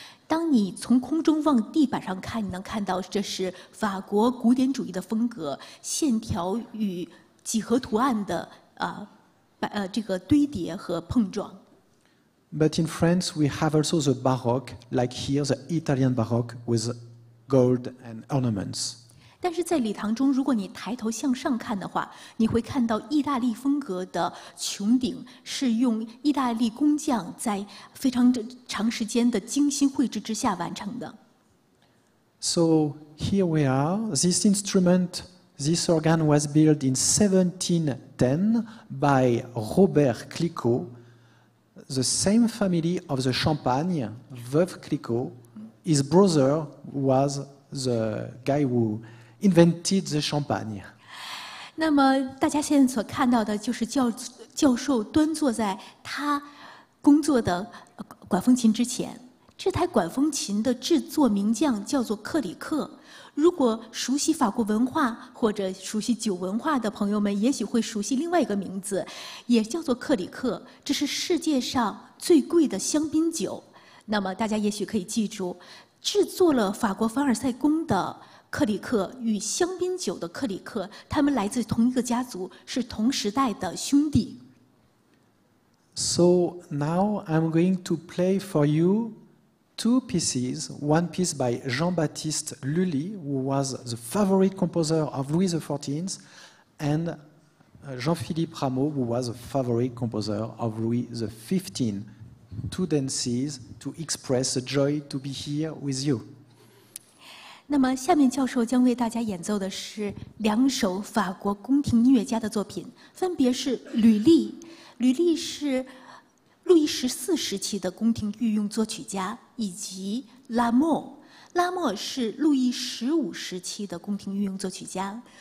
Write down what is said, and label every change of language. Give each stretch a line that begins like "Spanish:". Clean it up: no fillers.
Chinese: 当你从空中往地板上看，你能看到这是法国古典主义的风格，线条与几何图案的这个堆叠和碰撞。
English: But in France, we have also the Baroque, like here, the Italian Baroque with gold and ornaments.
Chinese: 但是在礼堂中，如果你抬头向上看的话，你会看到意大利风格的穹顶是用意大利工匠在非常长时间的精心绘制之下完成的。
English: So here we are. This instrument, this organ was built in 1710 by Robert Clicquot, the same family of the Champagne, Veuve Clicquot. His brother was the guy who invented the champagne.
Chinese: 那么大家现在所看到的就是教授端坐在他工作的管风琴之前。这台管风琴的制作名匠叫做克里克。如果熟悉法国文化或者熟悉酒文化的朋友们，也许会熟悉另外一个名字，也叫做克里克。这是世界上最贵的香槟酒。那么大家也许可以记住，制作了法国凡尔赛宫的克里克与香槟酒的克里克，他们来自同一个家族，是同时代的兄弟。
English: So now I'm going to play for you two pieces. One piece by Jean-Baptiste Lully, who was the favorite composer of Louis XIV, and Jean-Philippe Rameau, who was a favorite composer of Louis XV. Two dances to express the joy to be here with you.
Chinese: 那么下面教授将为大家演奏的是两首法国宫廷音乐家的作品，分别是吕利。吕利是路易十四时期的宫廷御用作曲家，以及拉莫。拉莫是路易十五时期的宫廷御用作曲家。